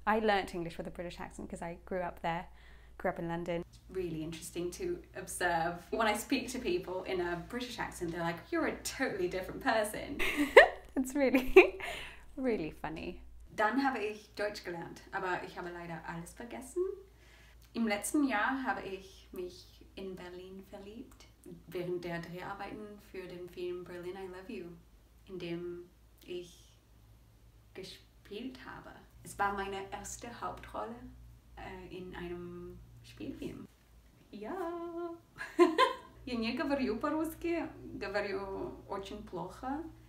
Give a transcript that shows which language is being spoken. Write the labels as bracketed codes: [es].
[en] I learned English with a British accent because I grew up there, grew up in London. It's really interesting to observe. When I speak to people in a British accent, they're like, you're a totally different person. It's really, really funny. [de] Dann habe ich Deutsch gelernt, aber ich habe leider alles vergessen. Im letzten Jahr habe ich mich in Berlin verliebt. Während der Dreharbeiten für den Film Berlin, I Love You, in dem ich gespielt habe. Es war meine erste Hauptrolle in einem Spielfilm. Ja! [ru] Я не говорю по-русски, говорю очень плохо.